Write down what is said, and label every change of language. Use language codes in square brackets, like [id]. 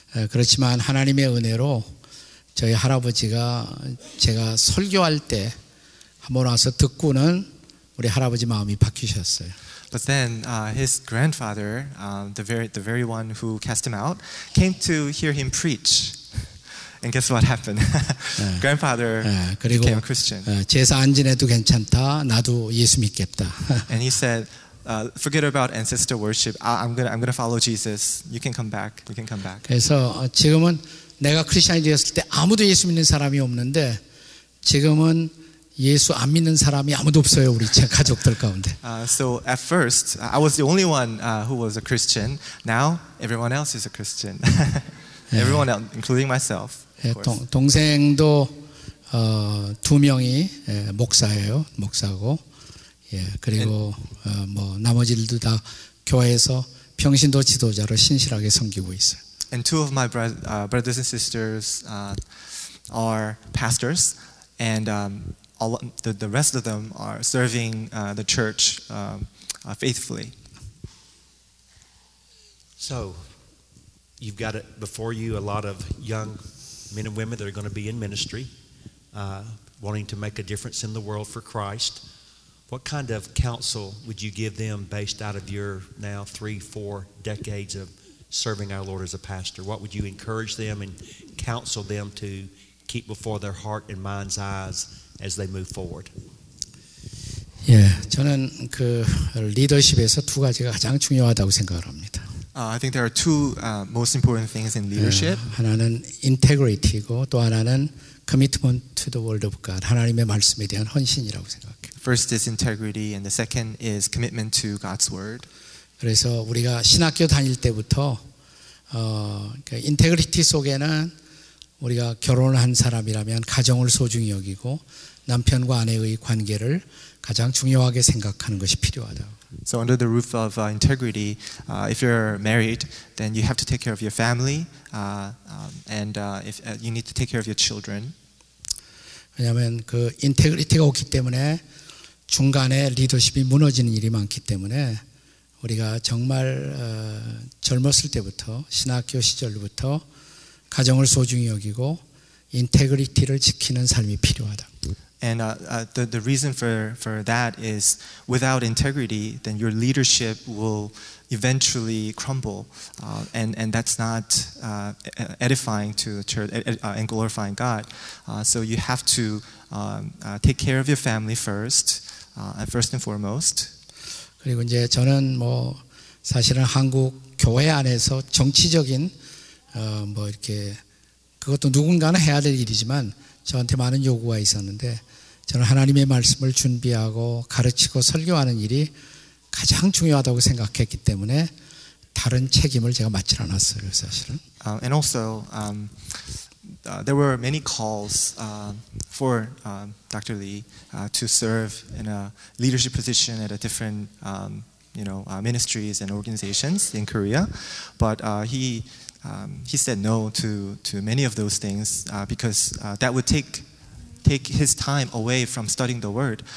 [ko] 그렇지만 하나님의 은혜로 저희 할아버지가 제가 설교할 때 한번 와서 듣고는 우리 할아버지 마음이 바뀌셨어요. [en] But then his grandfather, the very one who cast him out, came to hear him preach. And guess what happened? 네. Grandfather 네. [ko] 그리고, [en] became a Christian. [ko] 제사 안 지내도 괜찮다. 나도 예수 믿겠다. [en] And he said, forget about ancestor worship. I'm gonna follow Jesus. You can come back. [ko] 그래서 지금은 내가 크리스천이 되었을 때 아무도 예수 믿는 사람이 없는데 지금은 예수 안 믿는 사람이 아무도 없어요 우리 제 가족들 가운데. [en] So at first I was the only one who was a Christian. Now everyone else is a Christian. Everyone else, including myself. [ko] 동생도 두 명이 목사예요. 목사고. 예. 그리고 뭐 나머지들도 다 교회에서 평신도 지도자로 신실하게 섬기고 있어요. [en] And two of my brothers and sisters are pastors, and all the rest of them are serving the church faithfully. So, you've got it before you a lot of young men and women that are going to be in ministry, wanting to make a difference in the world for Christ. What kind of counsel would you give them based out of your now three, four decades of serving our Lord as a pastor? What would you encourage them and counsel them to keep before their heart and mind's eyes as they move forward? [ko] 예, 저는 그 리더십에서 두 가지가 가장 중요하다고 생각을 합니다. [en] I think there are two most important things in leadership. [ko] 하나는 integrity고 또 하나는 [en] commitment to the word of God. [ko] 하나님의 말씀에 대한 헌신이라고 생각해요. [en] First is integrity and the second is commitment to God's word. [ko] 그래서 우리가 신학교 다닐 때부터 그 integrity 속에는 우리가 결혼한 사람이라면 가정을 소중히 여기고 남편과 아내의 관계를 가장 중요하게 생각하는 것이 필요하다. [en] So under the roof of integrity, if you're married, then you have to take care of your family, and you need to take care of your children. [ko] 왜냐하면 그 인테그리티가 없기 때문에 중간에 리더십이 무너지는 일이 많기 때문에 우리가 정말 젊었을 때부터 신학교 시절부터 가정을 소중히 여기고 인테그리티를 지키는 삶이 필요하다. [en] And the reason for that is without integrity, then your leadership will eventually crumble, and that's not edifying to the church and glorifying God. So you have to take care of your family first and foremost. [ko] 그리고 이제 저는 뭐 사실은 한국 교회 안에서 정치적인 뭐 이렇게 그것도 누군가는 해야 될 일이지만 저한테 많은 요구가 있었는데 저는 하나님의 말씀을 준비하고 가르치고 설교하는 일이 가장 중요하다고 생각했기 때문에 다른 책임을 제가 맡지 않았어요, 사실은. [en] And also, there were many calls for Dr. Lee to serve in a leadership position at a different, ministries and organizations in Korea, but he said no to many of those things because that would take his time away from studying the word.